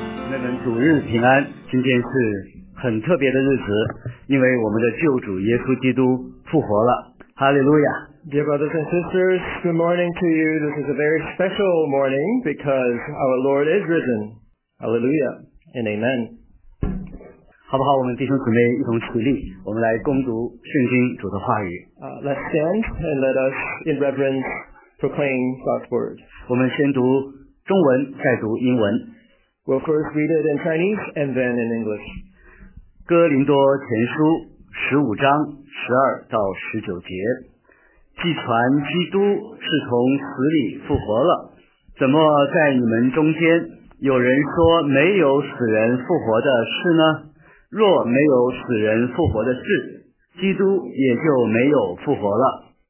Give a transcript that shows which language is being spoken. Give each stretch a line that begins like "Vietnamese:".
Chinese: 那人主日平安，今天是很特别的日子，因为我们的救主耶稣基督复活了，哈利路亚。
English: Dear brothers and sisters, good morning to you. This is a very special morning because our Lord is risen. Hallelujah and amen.
Chinese: 好不好，我们弟兄姊妹一同起立，我们来恭读圣经主的话语。
English: Let's stand and let us in reverence proclaim God's word.
Chinese: 我们先读中文，再读英文。
English: We'll first read it in Chinese and then in English.
Chinese: 哥林多前书15:12-19。既传基督是从死里复活了，怎么在你们中间有人说没有死人复活的事呢？若没有死人复活的事，基督也就没有复活了。